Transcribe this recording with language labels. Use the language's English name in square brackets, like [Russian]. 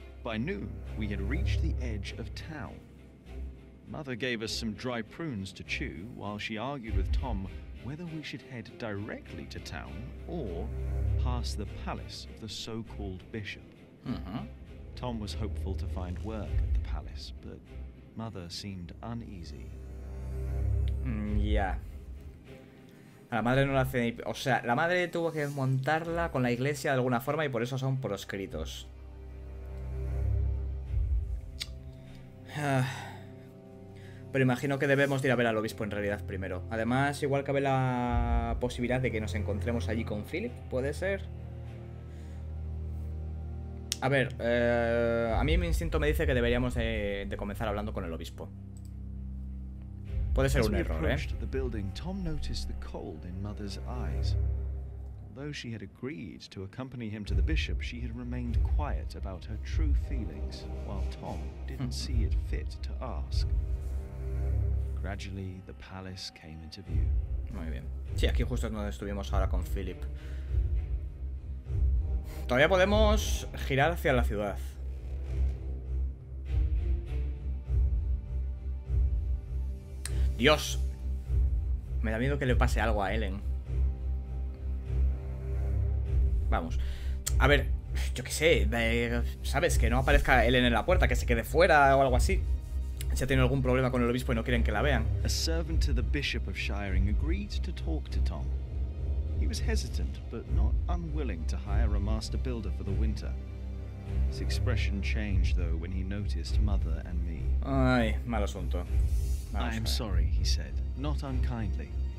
[English] By noon, we had reached the edge of town. Mother gave us some dry prunes to chew while she argued with Tom whether we should head directly to town or past the palace of the so-called bishop. Tom was hopeful to find work at the palace, but Mother seemed uneasy. [Spanish] Ya. A la madre no la hace ni... O sea, la madre tuvo que montarla con la iglesia de alguna forma y por eso son proscritos. Pero imagino que debemos ir a ver al obispo en realidad primero. Además, igual cabe la posibilidad de que nos encontremos allí con Philip, puede ser. A ver, a mí mi instinto me dice que deberíamos de comenzar hablando con el obispo. Puede ser un error, ¿eh? [English] The building, Tom noticed the cold in Mother's eyes. Although she had agreed to accompany him to the bishop, she had remained quiet about her true feelings, while Tom didn't see it fit to ask. Gradually, the palace came into view. [Spanish] Muy bien. Sí, aquí justo es donde estuvimos ahora con Philip. Todavía podemos girar hacia la ciudad. Dios, me da miedo que le pase algo a Ellen. Vamos, a ver, yo qué sé, ¿sabes? Que no aparezca Ellen en la puerta, que se quede fuera o algo así. Si ha tenido algún problema con el obispo y no quieren que la vean. [English] A servant to the Bishop of Shiring agreed to talk to Tom. He was hesitant, but not unwilling to hire a master builder for the winter. His expression changed, though, when he noticed Mother and me. [Spanish] Ay, mal asunto. [English] I am sorry, he said, not unkindly.